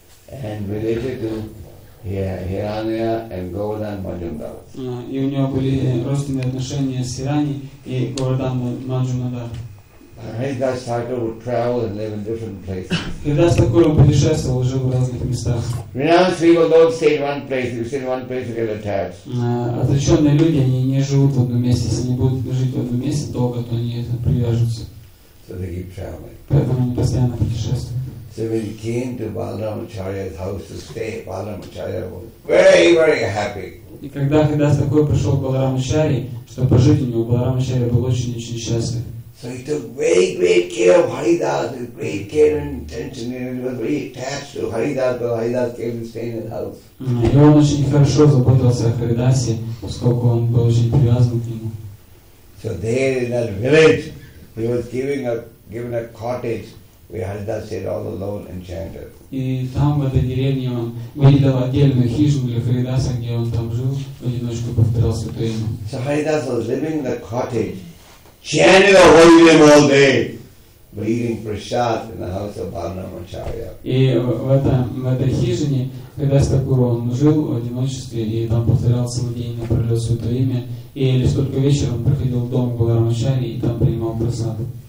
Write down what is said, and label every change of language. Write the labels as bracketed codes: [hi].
[en] And related to Hiranya and Govardhan Majumdar. [ru] И у него были родственные отношения с Хирани и Говардан Маджумдар. [en] Haridas Thakur would travel and live in different places. [ru] Haridas Thakur путешествовал, жил в разных местах. [en] Renounced people don't stay in one place. If you stay in one place, you get attached. [ru] Отреченные люди они не живут в одном месте. Если они будут жить в одном месте долго, то они привяжутся. [en] So they keep traveling. [ru] Поэтому они постоянно путешествуют. [en] So when he came to Balaramacharya's house to stay, Balaramacharya was very, very happy. [ru] И когда Haridas Thakur пришел к Баларамачарье, чтобы пожить у него, Баларамачарья был очень-очень счастлив. [en] So he took very great care of Haridas, with great care and attention, and he was very attached to Haridas, but Haridas came to stay in his house. [ru] И он очень хорошо заботился о Haridasе, поскольку он был очень привязан к нему. [en] So there in that village, he was given a cottage. We Haridas stayed all alone and chanted. [ru] И там в этой деревне он выделил отдельную хижину для Haridasa, где он там жил, в одиночку повторял святое имя. [en] So Haridas was living in the cottage, chanting the holy name all day, but eating prasad in the house of Balaramacharya. [ru] И в этой хижине Haridas Thakur он жил в одиночестве и там повторял целый день напролет святое имя, и лишь только вечером он приходил в дом Баларамачарьи и там принимал прасад.